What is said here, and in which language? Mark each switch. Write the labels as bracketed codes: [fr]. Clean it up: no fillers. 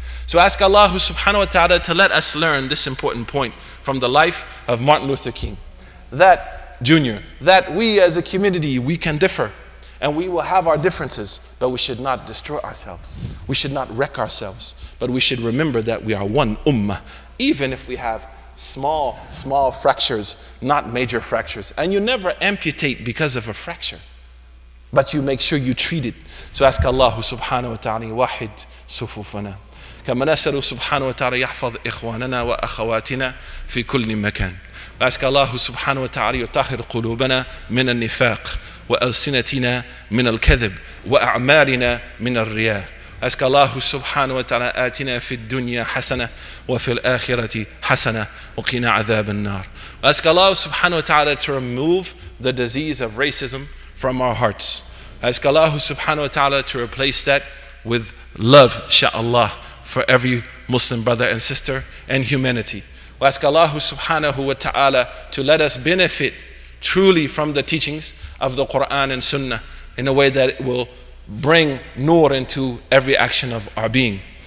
[en] So ask Allah subhanahu wa ta'ala to let us learn this important point from the life of Martin Luther King, that junior, that we as a community, we can differ and we will have our differences, but we should not destroy ourselves. We should not wreck ourselves, but we should remember that we are one ummah, even if we have small fractures, not major fractures. And you never amputate because of a fracture, but you make sure you treat it. So ask Allah subhanahu wa ta'ala, wahid sufufana. [ar] كما نسأل سبحانه وتعالى يحفظ إخواننا وأخواتنا في كل مكان. أسك الله سبحانه وتعالى يطهر قلوبنا من النفاق وألسنتنا من الكذب وأعمالنا من الرياء. أسك الله سبحانه وتعالى آتنا في الدنيا حسنة وفي الآخرة حسنة وقنا عذاب النار. أسك الله سبحانه وتعالى [en] to remove the disease of racism from our hearts. [ar] أسك الله سبحانه وتعالى [en] to replace that with love, inshallah, for every Muslim brother and sister, and humanity. We ask Allah subhanahu wa ta'ala to let us benefit truly from the teachings of the Quran and Sunnah in a way that it will bring nur into every action of our being.